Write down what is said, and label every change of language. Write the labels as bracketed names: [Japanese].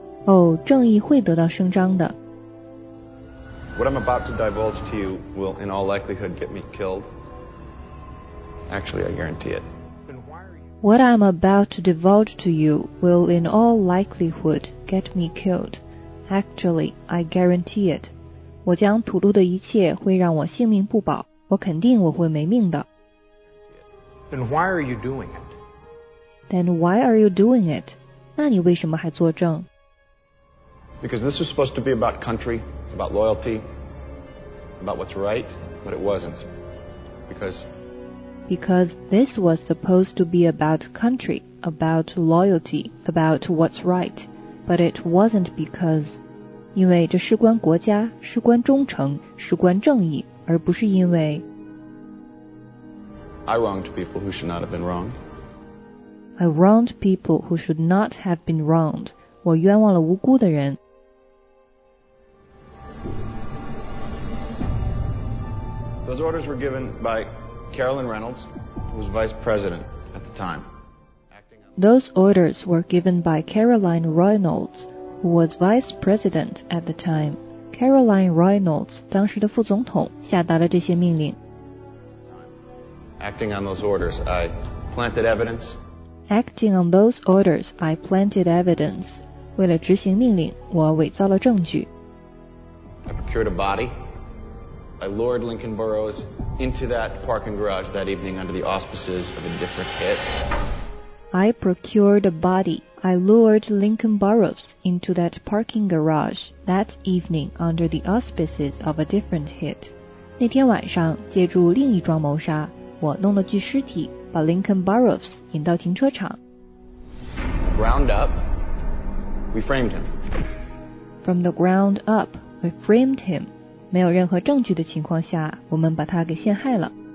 [Chinese] Oh, 正义会得到伸张的。 [English] What I'm about to divulge to you will, in all likelihood, get me killed. Actually, I guarantee it. What I'm about to divulge to you will, in all likelihood, get me killed. Actually, I guarantee it. [Chinese] 我将吐露的一切会让我性命不保，我肯定我会没命的。 [English] Then why are you doing it? Then why are you doing it? [Chinese] 那你为什么还作证? [English] Because this was supposed to be about country, about loyalty, about what's right, but it wasn't. Because this was supposed to be about country, about loyalty, about what's right, but it wasn't because... [Chinese] 因为这事关国家，事关忠诚，事关正义，而不是因为 [English] I wronged people who should not have been wronged. I wronged people who should not have been wronged. [Chinese] 我冤枉了无辜的人。 [English] Those orders were given by Carolyn Reynolds, who was vice president at the time. Those orders were given by Caroline Reynolds, who was vice president at the time. [Chinese] Caroline Reynolds, 当时的副总统，下达了这些命令。 [English] Acting on those orders, I planted evidence. Acting on those orders, I planted evidence. [Chinese] 为了执行命令，我伪造了证据。 [English] I procured a body. I lured Lincoln Burrows into that parking garage that evening under the auspices of a different hit. I procured a body. I lured Lincoln Burrows into that parking garage that evening under the auspices of a different hit. [Chinese] 那天晚上，借助另一桩谋杀。我弄了具尸体，把 Lincoln Burrows 引到停车场。 [English] Ground up, we framed him. From the ground up, we framed him. [Chinese] 没有任何证据的情况下，我们把他给陷害了。